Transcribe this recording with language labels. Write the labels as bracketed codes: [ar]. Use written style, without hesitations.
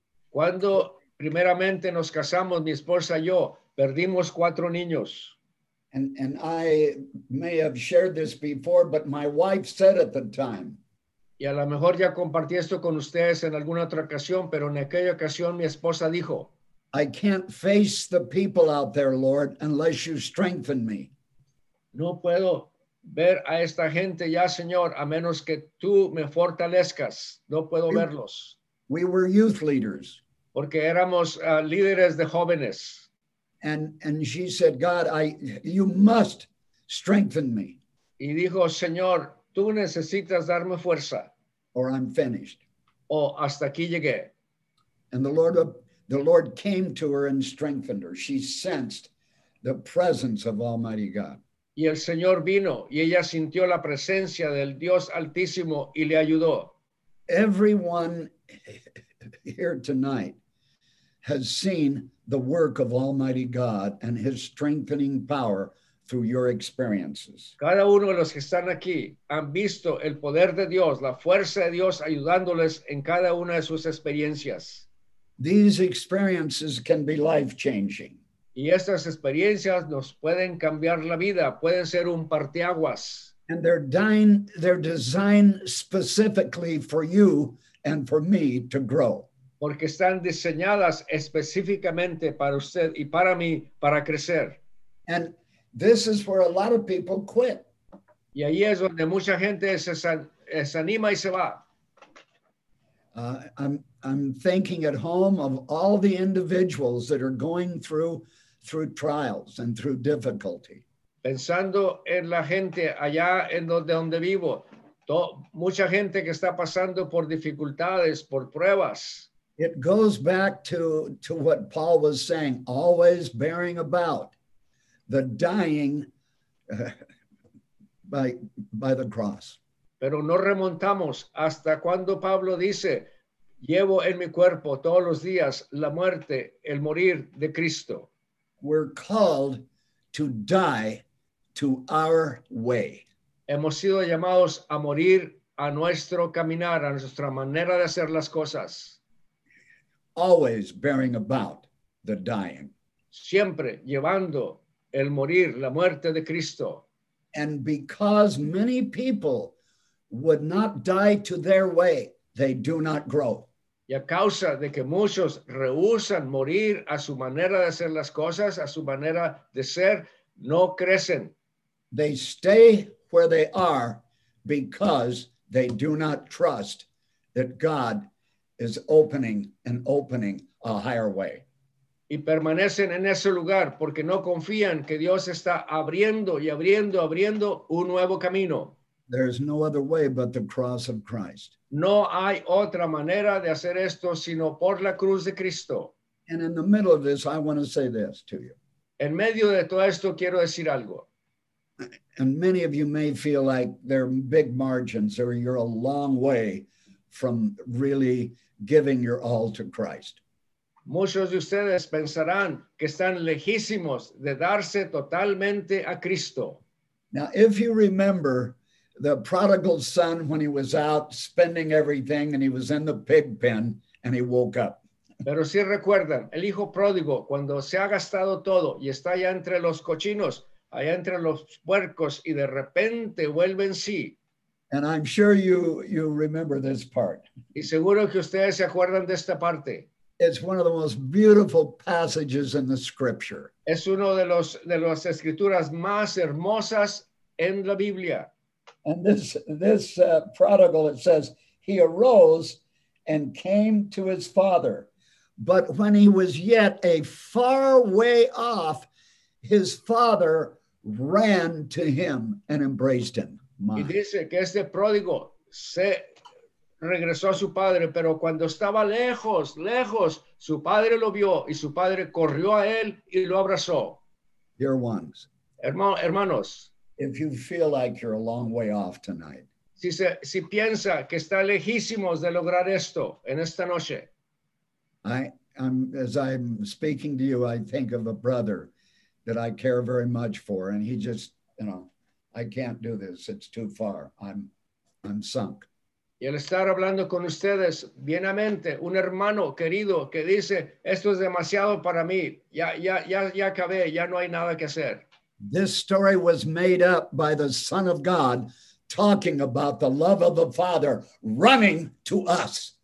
[es] Cuando primeramente nos casamos, mi esposa y yo, perdimos 4 niños. [en] And I may have shared this before, but my wife said at the time, [es] y a lo mejor ya compartí esto con ustedes en alguna otra ocasión, pero en aquella ocasión mi esposa dijo, [en] I can't face the people out there, Lord, unless you strengthen me. [es] No puedo ver a esta gente ya, Señor, a menos que tú me fortalezcas. No puedo verlos. [en] We were youth leaders. [es] Porque éramos líderes de jóvenes. [en] And she said, God, you must strengthen me. [es] Y dijo, Señor, tú necesitas darme fuerza. [en] Or I'm finished. [es] O hasta aquí llegué. [en] And the Lord came to her and strengthened her. She sensed the presence of Almighty God. [es] Y el Señor vino y ella sintió la presencia del Dios Altísimo y le ayudó. [en] Everyone here tonight has seen the work of Almighty God and his strengthening power through your experiences. [es] Cada uno de los que están aquí han visto el poder de Dios, la fuerza de Dios ayudándoles en cada una de sus experiencias. [en] These experiences can be life-changing. [es] Y estas experiencias nos pueden cambiar la vida, pueden ser un parteaguas. [en] And they're designed specifically for you and for me to grow. [es] Porque están diseñadas específicamente para usted y para mí para crecer. [en] And this is where a lot of people quit. [es] Y ahí es donde mucha gente se anima y se va. [en] I'm thinking at home of all the individuals that are going through trials and through difficulty. [es] Pensando en la gente allá en donde vivo, mucha gente que está pasando por dificultades, por pruebas. [en] It goes back to what Paul was saying, always bearing about the dying by the cross. [es] Pero no remontamos hasta cuando Pablo dice, llevo en mi cuerpo todos los días la muerte, el morir de Cristo. [en] We're called to die to our way. [es] Hemos sido llamados a morir a nuestro caminar, a nuestra manera de hacer las cosas. [en] Always bearing about the dying. [es] Siempre llevando el morir, la muerte de Cristo. [en] And because many people would not die to their way, they do not grow. [es] Y a causa de que muchos rehúsan morir a su manera de hacer las cosas, a su manera de ser, no crecen. [en] They stay where they are because they do not trust that God is opening a higher way. [es] Y permanecen en ese lugar porque no confían que Dios está abriendo y abriendo, abriendo un nuevo camino. [en] There's no other way but the cross of Christ. [es] No hay otra manera de hacer esto sino por la cruz de Cristo. [en] And in the middle of this, I want to say this to you. [es] En medio de todo esto, quiero decir algo. [en] And many of you may feel like there are big margins or you're a long way from really giving your all to Christ. [es] Muchos de ustedes pensarán que están lejísimos de darse totalmente a Cristo. [en] Now, if you remember the prodigal son, when he was out spending everything and he was in the pig pen and he woke up. [es] Pero si recuerdan, el hijo pródigo, cuando se ha gastado todo y está allá entre los cochinos, allá entre los puercos, y de repente vuelve en sí. [en] And I'm sure you remember this part. [es] Y seguro que ustedes se acuerdan de esta parte. [en] It's one of the most beautiful passages in the scripture. [es] Es uno de las escrituras más hermosas en la Biblia. [en] And this prodigal, it says, he arose and came to his father. But when he was yet a far way off, his father ran to him and embraced him. [es] My. Y dice que este pródigo se regresó a su padre, pero cuando estaba lejos, lejos, su padre lo vio y su padre corrió a él y lo abrazó. [en] Dear ones. [es] Hermanos. [en] If you feel like you're a long way off tonight. [es] Si piensa que está lejísimos de lograr esto en esta noche. [en] As I'm speaking to you, I think of a brother that I care very much for. And he just, you know, I can't do this. It's too far. I'm sunk. [es] Y al estar hablando con ustedes, viene a mente un hermano querido que dice, esto es demasiado para mí. Ya acabé. Ya no hay nada que hacer. [en] This story was made up by the Son of God talking about the love of the Father running to us.